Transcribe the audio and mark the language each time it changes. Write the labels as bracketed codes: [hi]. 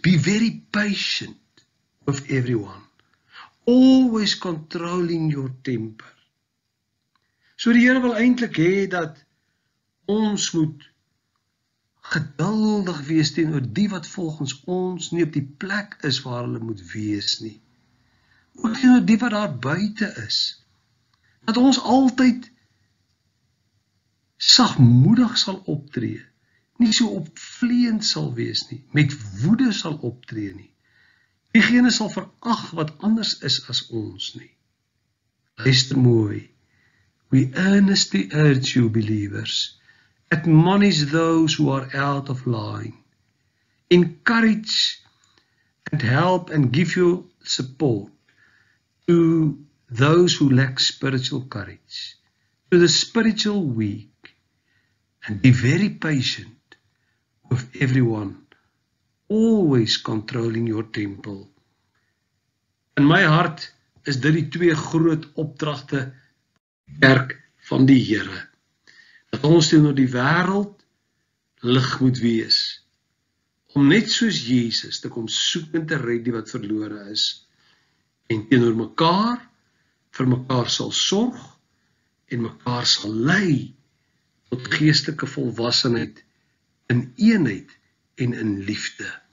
[en] Be very patient with everyone, always controlling your temper. [af] So die Here wil eintlik hê dat ons moet geduldig wees teenoor die wat volgens ons nie op die plek is waar hulle moet wees nie. Ook teenoor die wat daar buite is. Dat ons altyd sagmoedig sal optree, nie so opvleend sal wees nie, met woede sal optree nie. Diegene sal veracht wat anders is as ons nie. Luister mooi, [en] we earnestly urge you, believers, admonish those who are out of line, encourage and help and give you support to those who lack spiritual courage, to the spiritual weak, and be very patient with everyone, always controlling your temper. [af] In my hart is dit die twee groot opdragte kerk van die Here, dat ons teenoor die wêreld lig moet wees, om net soos Jesus te kom soek en te red die wat verlore is, en teenoor mekaar vir mekaar sal sorg en mekaar sal lei tot geestelike volwassenheid in eenheid en in liefde.